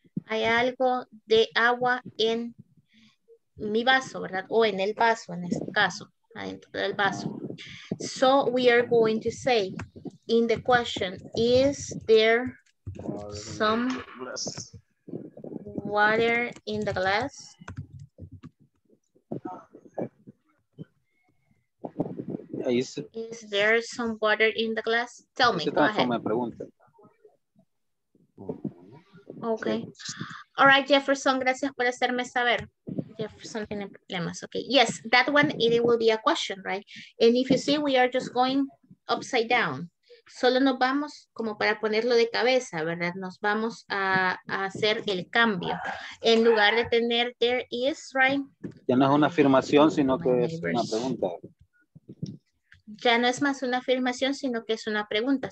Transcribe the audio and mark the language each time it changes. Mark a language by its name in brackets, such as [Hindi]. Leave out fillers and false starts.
[Spanish] Hay algo de agua en mi vaso, ¿verdad? O en el vaso, en este caso, adentro del vaso. [English] So we are going to say in the question, is there some water in the glass? Is there some water in the glass? Tell me, go ahead. [Spanish] Pregunta. [English] Ok. All right, [Spanish] Jefferson, gracias por hacerme saber. Jefferson tiene problemas. Ok. [English] Yes, that one, it will be a question, right? And if you see, we are just going upside down. [Spanish] Solo nos vamos como para ponerlo de cabeza, ¿verdad? Nos vamos a hacer el cambio. En lugar de tener there is, right? Ya no es una afirmación, sino que es una pregunta. Ya no es más una afirmación, sino que es una pregunta.